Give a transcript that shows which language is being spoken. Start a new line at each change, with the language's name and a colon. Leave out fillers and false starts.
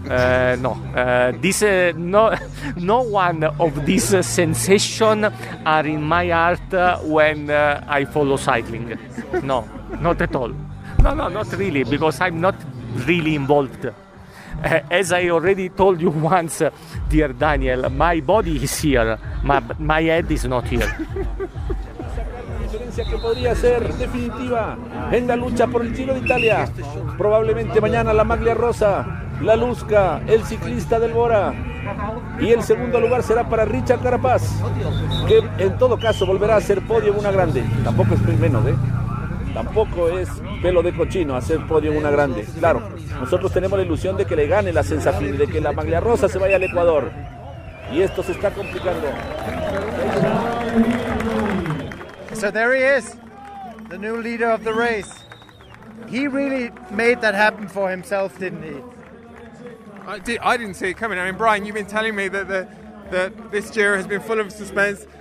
English: No one of these sensations are in my heart when I follow cycling. No, not at all. No, not really, because I'm not really involved. As I already told you once, dear Daniel, my body is here, my head is not here.
Spanish: Que podría ser definitiva en la lucha por el Giro de Italia. Probablemente mañana la Maglia Rosa, la Lusca, el ciclista del Bora. Y el segundo lugar será para Richard Carapaz, que en todo caso volverá a ser podio en una grande. Tampoco es menos, Tampoco es pelo de cochino hacer podio en una grande. Claro, nosotros tenemos la ilusión de que le gane la sensación de que la Maglia Rosa se vaya al Ecuador. Y esto se está complicando.
English: So there he is, the new leader of the race. He really made that happen for himself, didn't he? I didn't see it coming. I mean, Brian, you've been telling me that this Giro has been full of suspense.